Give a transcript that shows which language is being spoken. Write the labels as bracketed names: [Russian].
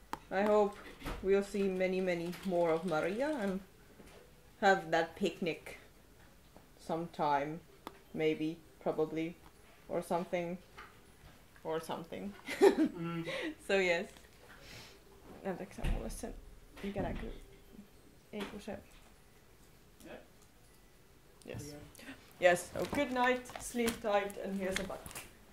[English] I hope we'll see many, many more of Maria and have that picnic sometime, maybe, probably, or something, or something. Mm. So yes. [Finnish] Anteeksi, mulle sen ikä näkyy. Ei kun se. [English] Yes. Yes, so good night, sleep tight, and here's a butt.